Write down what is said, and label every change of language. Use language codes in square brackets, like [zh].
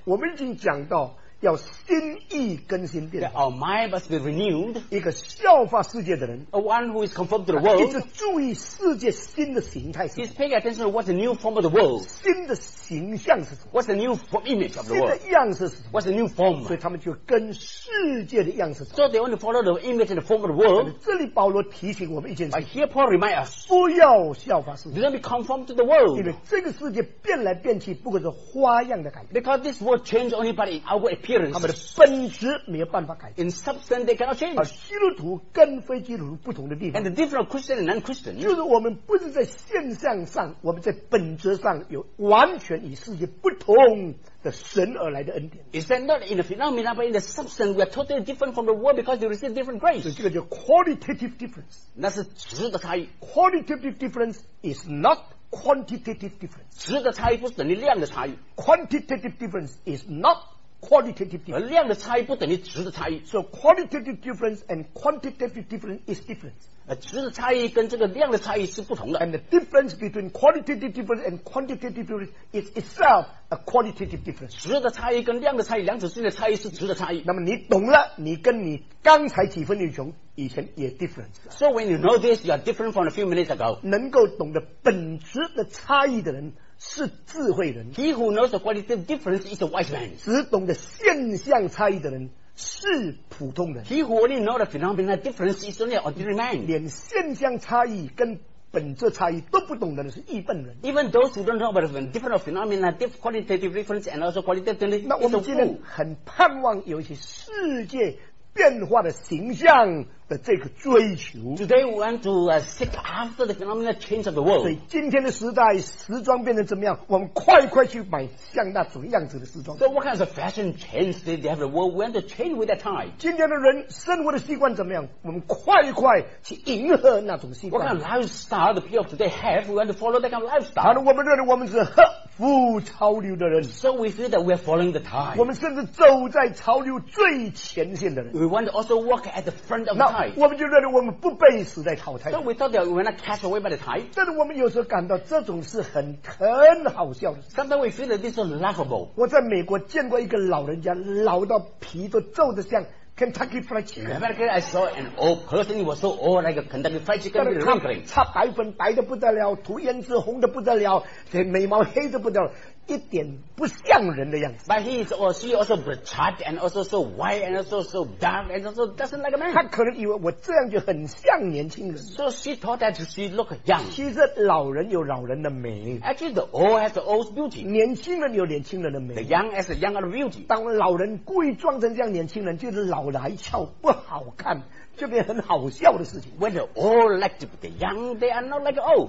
[zh] 我们已经讲到要心意更新变化。 [en] That our mind must be renewed. [zh] 一个效法世界的人。 [en] A one who is conformed to the world. [zh] 一直注意世界新的形态是什么。 [en] He's paying attention to what's the new form of the world. [zh] 新的形象是什么。 [en] What's the new form, image of the world. [zh] 新的样式是什么。 [en] What's the new form. [zh] 所以他们就跟世界的样式走。 [en] So they want to follow the image and the form of the world. [zh] 这里保罗提醒我们一件事。 [en] But here Paul reminds us. [zh] 不要效法世界。 [en] Do not be conformed to the world. [zh] 因为这个世界变来变去不过是花样的改变。 [en] Because this world changes only by its outward appearance. [zh] 他们的本质没有办法改变。 [en] In substance, they cannot change. [zh] 而基督徒跟非基督徒不同的地方。 [en] And the difference of Christian and non-Christian. [zh] 就是我们不是在现象上，我们在本质上有完全与世界不同的神而来的恩典。 [en] Is that not in the phenomenon, but in the substance, we are totally different from the world because we receive different grace. [zh] 这个叫 [en] qualitative difference. [zh] 那是质的差异。 [en] Qualitative difference is not quantitative difference. [zh] 质的差异不是等于量的差异。 [en] Quantitative difference is not. Qualitative difference. [zh] 量的差异不等于值的差异。 [en] So qualitative difference and quantitative difference is different. [zh] 值的差异跟这个量的差异是不同的。 [en] And the difference between qualitative difference and quantitative difference is itself a qualitative difference. [zh] 值的差异跟量的差异，两者之间的差异是值的差异。那么你懂了，你跟你刚才几分钟穷以前也 different. [en] So when you know this, you are different from a few minutes ago. [zh] 能够懂得本质的差异的人是智慧人。 [en] He who knows the qualitative difference is a wise man. [zh] 只懂得现象差异的人是普通人。 [en] He who only knows the phenomenal difference is only an ordinary man. [zh] 连现象差异跟本质差异都不懂的人是愚笨人。 [en] Even those who don't know about the different phenomenal qualitative difference and also qualitative difference is a fool. [zh] 那我们今天很盼望有一些世界变化的形象的这个追求。 [en] Today we want to seek after the phenomenal change of the world. [zh] 所以今天的时代时装变得怎么样？我们快快去买像那种样子的时装。 [en] So what kind of fashion change did they have the world? We want to change with that time. [zh] 今天的人生活的习惯怎么样？我们快快去迎合那种习惯。 [en] What kind of lifestyle the people of today have? We want to follow that kind of lifestyle. [zh] 好的，我们认为我们是合乎潮流的人。 [en] So we feel that we are following the time. [zh] 我们甚至走在潮流最前线的人。 [en] We want to also walk at the front of the tide. [zh] 我们就认为我们不被时代淘汰。 [en] So we thought that we were not cast away by the tide. [zh] 但是我们有时候感到这种是很好笑的。 [en] Sometimes we feel that this is laughable. [zh] 我在美国见过一个老人家，老到皮都皱得像 [en] Kentucky Fried Chicken. Remember, I saw an old person, he was so old, like a Kentucky Fried Chicken, wrinkling. [zh] 擦白粉白得不得了，涂颜色红得不得了，眉毛黑得不得了，一点不像人的样子。 [en] But he or she also bloodshot and also so white and also so dark and also doesn't like a man. [zh] 她可能以为我这样就很像年轻人。 [en] So she thought that she looked young. [zh] 其实老人有老人的美。 [en] Actually, the old has the old beauty. [zh] 年轻人有年轻人的美。 [en] The young has the younger beauty. [zh] 当老人故意装成这样年轻人，就是老来俏不好看。这边很好笑的事情 [en] When the old like to be the young They are not like old